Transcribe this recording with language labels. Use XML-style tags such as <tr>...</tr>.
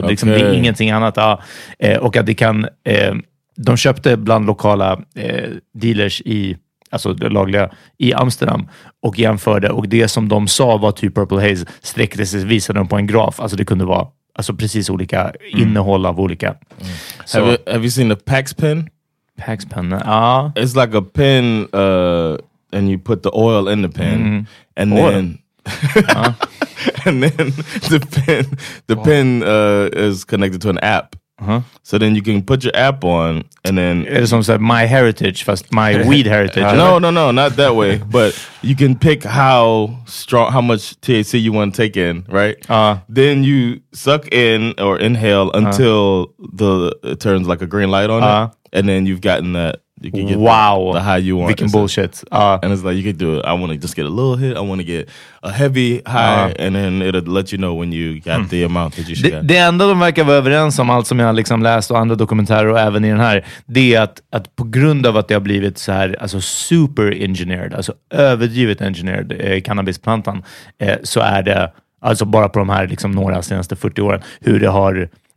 <sv>Okay. Det, liksom, det är ingenting annat. Ja. Och att det kan, de köpte bland lokala dealers i, alltså det lagliga, i Amsterdam, och jämförde, och det som de sa var typ Purple Haze sträckte sig, visade dem på en graf, alltså det kunde vara alltså precis olika innehåll av olika. Mm.</sv> <en>Have you seen the Pax pen? Pax pen. It's like a pen and you put the oil in the pen. Mm. And oil. Then and then the pen is connected to an app. Uh-huh. So then you can put your app on, and then it's almost like my heritage, fast my weed heritage. No, not that way. But you can pick how strong, how much THC you want to take in, right? Then you suck in or inhale until it turns like a green light on it, and then you've gotten that. You can get the high you want. We can bullshit. And it's like, you can do it. I want to just get a little hit. I want to get a heavy high. And then it'll let you know when you got the amount that you should get.</en> <sv>Det enda de verkar vara överens om, allt som jag har liksom läst och andra dokumentärer och även i den här, det är att på grund av att det har blivit så här, alltså super engineered, alltså överdrivet engineered, cannabisplantan, så är det, alltså bara på de här liksom några senaste 40 åren, hur det har...</sv>